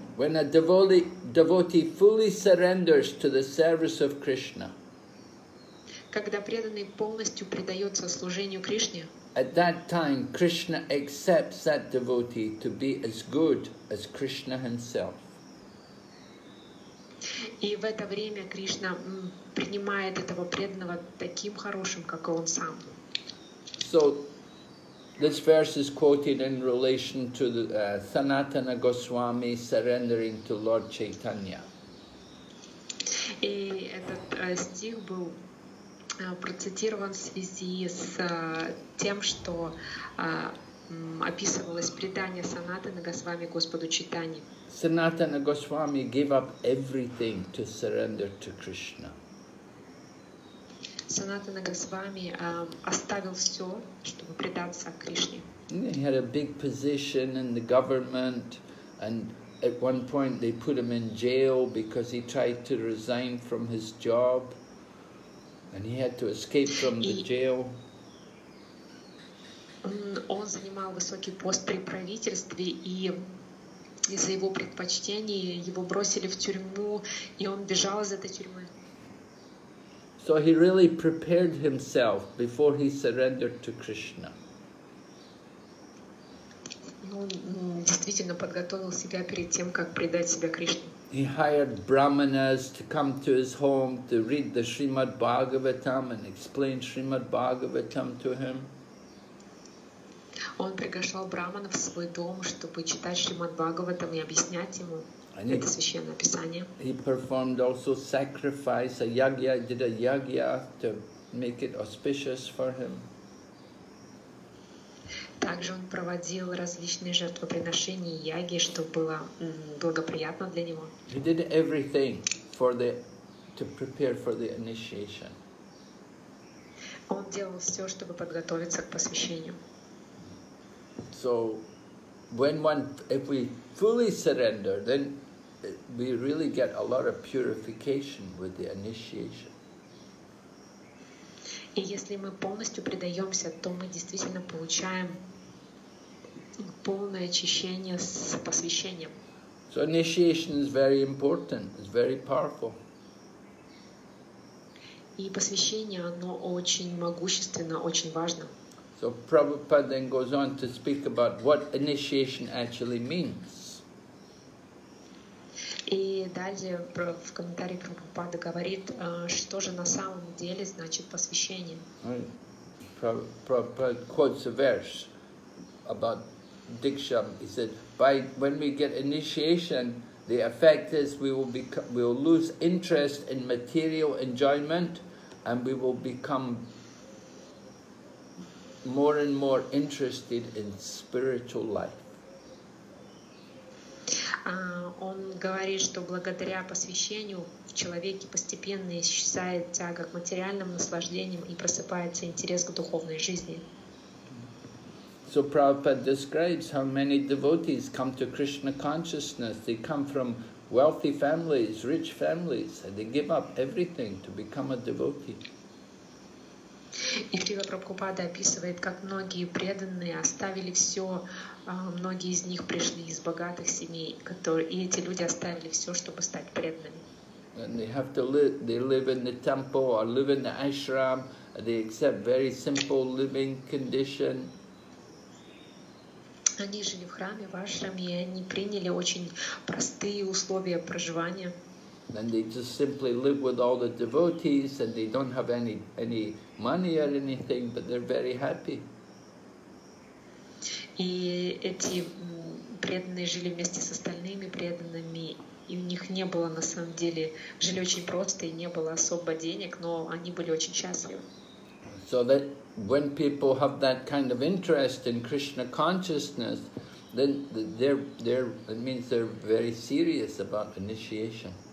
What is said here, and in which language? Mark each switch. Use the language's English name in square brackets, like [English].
[English] When a devotee fully surrenders to the service of Krishna. [Russian] Когда преданный полностью предается служению Кришне. [English] At that time, Krishna accepts that devotee to be as good as Krishna himself. [Russian] И в это время Кришна принимает этого преданного таким хорошим, как он сам. [English] So, this verse is quoted in relation to the Sanatana Goswami surrendering to Lord Chaitanya. [Russian] И этот стих был процитирован в связи с тем, что описывалось предание Санатаны Госвами Господу Чайтанье. [English] Sanatana Goswami gave up everything to surrender to Krishna. [Russian] Sanatana Goswami оставил все, чтобы предаться Кришне. [English] He had a big position in the government, and at one point they put him in jail because he tried to resign from his job, and he had to escape from the jail. [Russian] Он занимал высокий пост при правительстве и из-за его предпочтений его бросили в тюрьму, и он бежал из этой тюрьмы. [English] So he really prepared himself before he surrendered to Krishna. [Russian] Ну, действительно подготовил себя перед тем, как предать себя Кришне. [English] He hired brahmanas to come to his home to read the Srimad Bhagavatam and explain Srimad Bhagavatam to him. [Russian] Он приглашал брахманов в свой дом, чтобы читать Шримад Бхагаватам и объяснять ему это священное писание. [English] He performed also sacrifice, a yagya, did a yagya to make it auspicious for him. [Russian] Также он проводил различные жертвоприношения и яги, что было благоприятно для него. [English] He did everything to prepare for the initiation. [Russian] Он делал все, чтобы подготовиться к посвящению. [English] So, when one, if we fully surrender, then we really get a lot of purification with the initiation. [Russian] И если мы полностью предаемся, то мы действительно получаем полное очищение с посвящением. [English] So initiation is very important. It's very powerful. [Russian] И посвящение, оно очень могущественно, очень важно. [English] So Prabhupada then goes on to speak about what initiation actually means. [Russian] И далее в комментарии Прабхупада говорит, что же на самом деле значит посвящение. [English] Prabhupada quotes a verse about Diksha. He said, "By when we get initiation, the effect is we will lose interest in material enjoyment, and we will become more and more interested in spiritual life." [Russian] Он говорит, что благодаря посвящению в человеке постепенно исчезает тяга к материальным наслаждениям и просыпается интерес к духовной жизни. [English] So Prabhupada describes how many devotees come to Krishna consciousness. They come from wealthy families, rich families, and they give up everything to become a devotee. [Russian] И Шрила Прабхупада описывает, как многие преданные оставили все, многие из них пришли из богатых семей, которые, и эти люди оставили все, чтобы стать преданными. [English] And they have to live, they live in the temple or live in the ashram, they accept very simple living condition. [Russian] Они жили в храме, в ашраме, и они приняли очень простые условия проживания. [English] then they just simply live with all the devotees, and they don't have any money or anything, but they're very happy. [Russian] И эти преданные жили вместе с остальными преданными, и у них не было на самом деле, жили очень просто, и не было особо денег, но они были очень счастливы. [English] So that when people have that kind of interest in Krishna consciousness, then they're it means they're very serious about initiation.